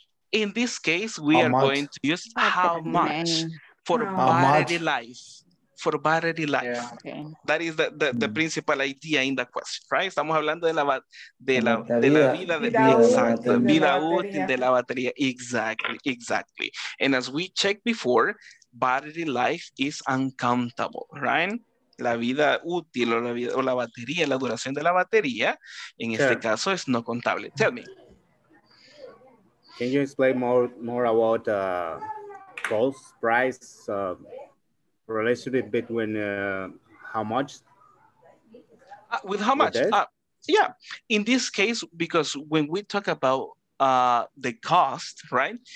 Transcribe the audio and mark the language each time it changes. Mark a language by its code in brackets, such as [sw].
[en] In this case, we are going to use how much for battery life. That is the principal idea in the question, right? [es] Estamos hablando de la vida útil de la batería. [en] Exactly. And as we checked before, battery life is uncountable, right? [es] La vida útil o la batería, la duración de la batería, en este caso es no contable. [en] Tell me. Can you explain more about cost, price, relationship between how much? With how much? In this case, because when we talk about the cost, right?